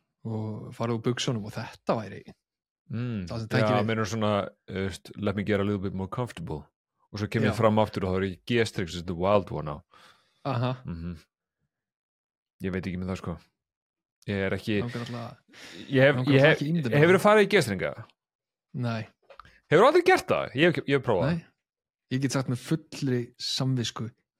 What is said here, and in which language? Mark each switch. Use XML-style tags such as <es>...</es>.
<is>Og farið úr buxunum og þetta væri.</is> <en>Let me get a little bit more comfortable.</en> <is>Og svo kemur ég fram aftur og það er í gestrix</is> <en>the wild one</en> <is>á. Ég veit ekki með það sko. Ég er ekki... Hefur þú farið í gestringa? Nei. Hefur þú aldrei gert það? Ég hef prófað. Nei. Ég get sagt með fullri samvisku.</is>